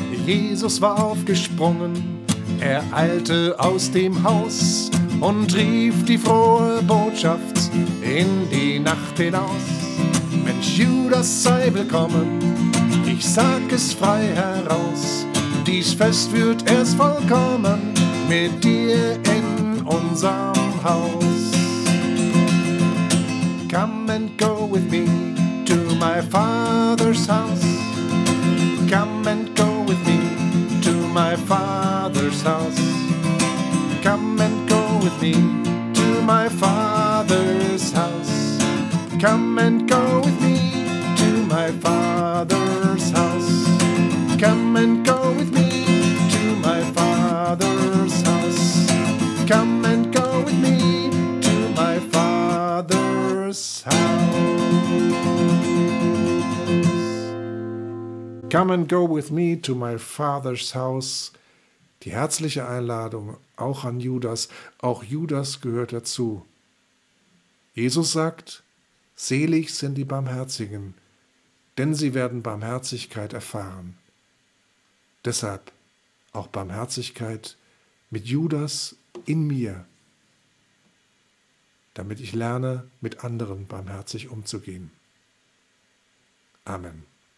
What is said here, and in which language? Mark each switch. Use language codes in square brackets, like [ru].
[de] Jesus war aufgesprungen, er eilte aus dem Haus und rief die frohe Botschaft in die Nacht hinaus. Mensch, Judas, sei willkommen, ich sag es frei heraus. Dies Fest wird erst vollkommen mit dir in unserem Haus. [en] Come and go with me to my Father's house. Come and go with me to my Father's house. Come and go with me to my Father's house. Come and go with me to my Father's house. Come and go with me to my Father's house. Come and go with me to my Father's house. Come and go with me to my Father's house. [de] Die herzliche Einladung auch an Judas. Auch Judas gehört dazu. Jesus sagt: Selig sind die Barmherzigen, denn sie werden Barmherzigkeit erfahren. Deshalb auch Barmherzigkeit mit Judas in mir, damit ich lerne, mit anderen barmherzig umzugehen. Amen.